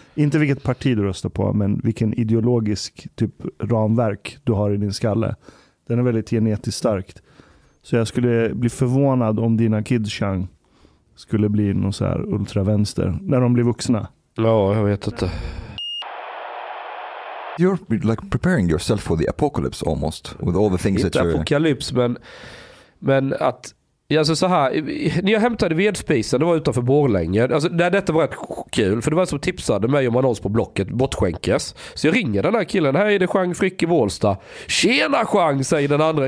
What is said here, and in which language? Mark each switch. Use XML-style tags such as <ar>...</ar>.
<sv>Inte vilket parti du röstar på, men vilken ideologisk typ ramverk du har i din skalle. Den är väldigt genetiskt starkt. Så jag skulle bli förvånad om dina kids Chang skulle bli någon så här ultravänster när de blir vuxna. Ja, jag vet inte.</sv> <en>You're like preparing yourself for the apocalypse almost with all the things that you're...</en> <sv>apokalyps, men att alltså så här, när jag hämtade vedspisen, det var utanför Borlänge. Alltså detta var rätt kul, för det var som tipsade mig om annons på Blocket, bortskänkes. Så jag ringer den här killen, här är det Chang Frick i Bålsta. Tjena Chang, säger den andra.</sv>